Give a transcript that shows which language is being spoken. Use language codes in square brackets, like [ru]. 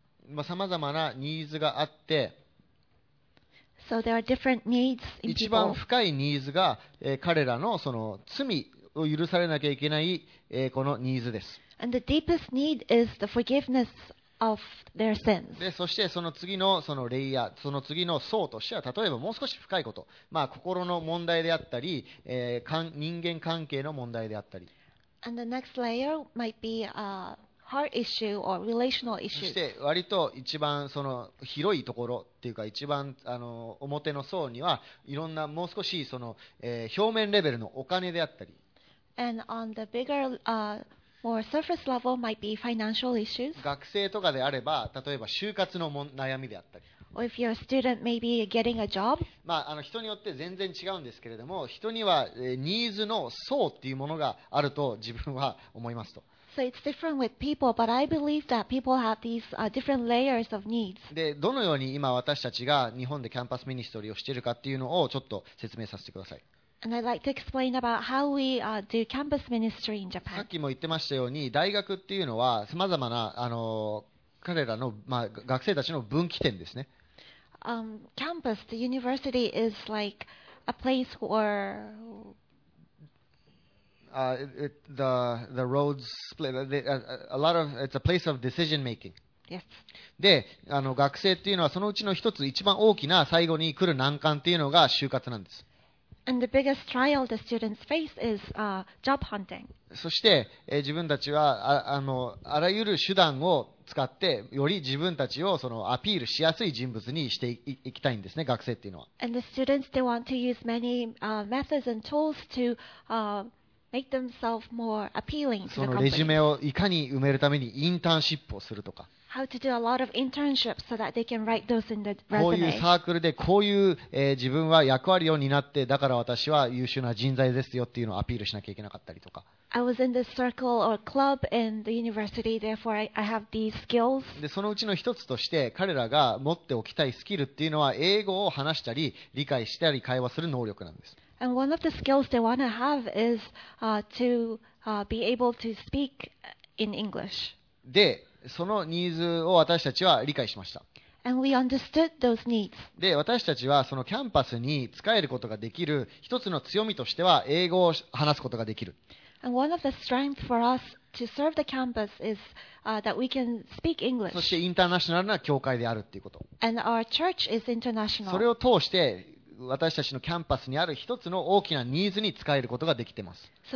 [ja] まあ、様々なニーズがあって、 [en] So there are different needs in people. [ja] 一番深いニーズが、彼らのその罪を許されなきゃいけない、このニーズです。 [en] And the deepest need is the forgiveness of their sins. [ja] で、そしてその次のそのレイヤー、その次の層としては、例えばもう少し深いこと、まあ、心の問題であったり、人間関係の問題であったり。 [en] And the next layer might be a heart issue or relational issue. [ja] そして割と一番その広いところっていうか、一番あの表の層にはいろんなもう少しその、表面レベルのお金であったり。 [en] And on the bigger, or surface level might be financial issues. [ja] 学生とかであれば、例えば就活の悩みであったり。 [en] Or if you're a student, maybe getting a job. [ja] まあ、あの人によって全然違うんですけれども、人には、ニーズの層っていうものがあると自分は思いますと。 [en] So it's different with people, but I believe that people have these different layers of needs. [ja] で、どのように今私たちが日本でキャンパスミニストリーをしているかっていうのをちょっと説明させてください。 [en] And I'd like to explain about how we do campus ministry in Japan. [ja] さっきも言ってましたように、大学っていうのはさまざまなあの彼らの、まあ、学生たちの分岐点ですね。 [en] Campus, the university is like a place where The roads split. A lot of it's a place of decision making. Yes. [ja] で、あの学生っていうのはそのうちの一つ一番大きな最後に来る難関っていうのが就活なんです。 [en] And the biggest trial the students face is job hunting. [ja] そして、自分たちは あらゆる手段を使ってより自分たちをそのアピールしやすい人物にしてい、いきたいんですね、学生っていうのは。 [en] And the students they want to use many methods and tools to make themselves more appealing to the company. [ja] そのレジュメをいかに埋めるためにインターンシップをするとか。 [en] How to do a lot of internships so that they can write those in the resume. [ja] こういうサークルでこういう、自分は役割を担ってだから私は優秀な人材ですよっていうのをアピールしなきゃいけなかったりとか。 [en] I was in the circle or club in the university, therefore I have these skills. [ja] でそのうちの一つとして彼らが持っておきたいスキルっていうのは英語を話したり理解したり会話する能力なんです。 [en] And one of the skills they want to have is to be able to speak in English. [ja] で、そのニーズを私たちは理解しました。 [en] And we understood those needs. [ja] で、私たちはそのキャンパスに使えることができる一つの強みとしては英語を話すことができる。 [en] And one of the strengths for us to serve the campus is that we can speak English. [ja] そしてインターナショナルな教会であるっていうこと。 [en] And our church is international. [ja] それを通して私たちのキャンパスにある一つの大きなニーズに使えることができています。